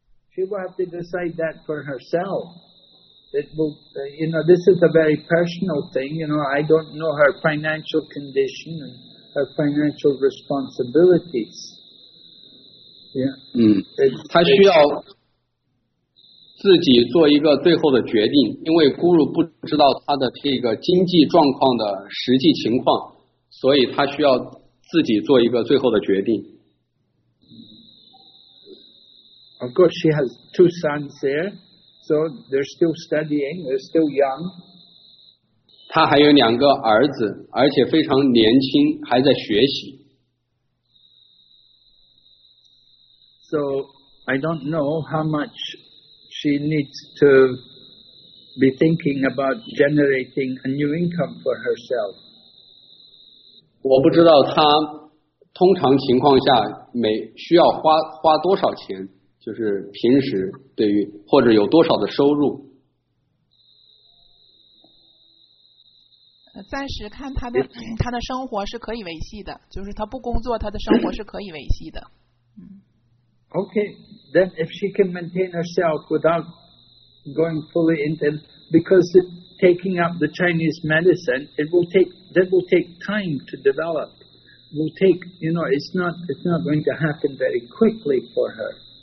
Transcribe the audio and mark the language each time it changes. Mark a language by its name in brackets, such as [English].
[English] She will have to decide that for herself. It will, you know, this is a very personal thing. You know, I don't know her financial condition and her financial responsibilities. Yeah. [Chinese] 她需要自己做一个最后的决定，因为咕噜不知道她的这个经济状况的实际情况，所以她需要自己做一个最后的决定。 [English] Of course, she has two sons there, so they're still studying, they're still young. [Chinese] 她还有两个儿子，而且非常年轻，还在学习。 [English] So, I don't know how much she needs to be thinking about generating a new income for herself. [Chinese] 我不知道她通常情况下每需要花多少钱。就是平时对于或者有多少的收入，暂时看他的生活是可以维系的，就是他不工作，他的生活是可以维系的。 [English] Okay, then if she can maintain herself without going fully into, because taking up the Chinese medicine, it will take time to develop. Will take, you know, it's not going to happen very quickly for her.